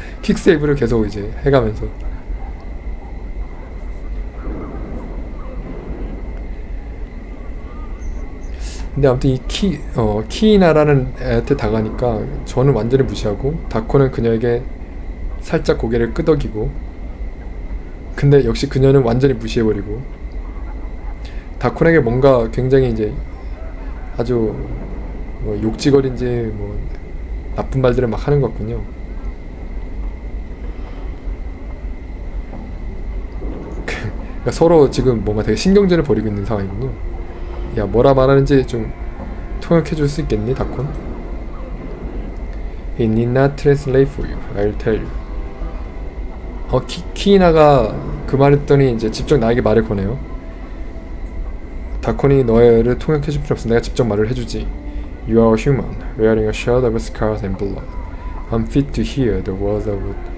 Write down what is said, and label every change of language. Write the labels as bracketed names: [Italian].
[Korean] 퀵세이브를 계속 이제 해가면서 근데 아무튼 이 키이나라는 애한테 다가니까 저는 완전히 무시하고 다코는 그녀에게 살짝 고개를 끄덕이고, 근데 역시 그녀는 완전히 무시해버리고, 다콘에게 뭔가 굉장히 이제 아주 뭐 욕지거린지 뭐 나쁜 말들을 막 하는 것 같군요. 서로 지금 뭔가 되게 신경전을 벌이고 있는 상황이군요. 야, 뭐라 말하는지 좀 통역해줄 수 있겠니, 다콘? [English] It need not translate for you. I'll tell you. [Korean] 키키나가 그 말을 듣더니 이제 직접 나에게 말을 거네요. 다코니, 너를 통역해줄 필요 없어. 내가 직접 말을 해주지. [English] You are a human, wearing a shirt of scars and blood. I'm fit to hear the words of...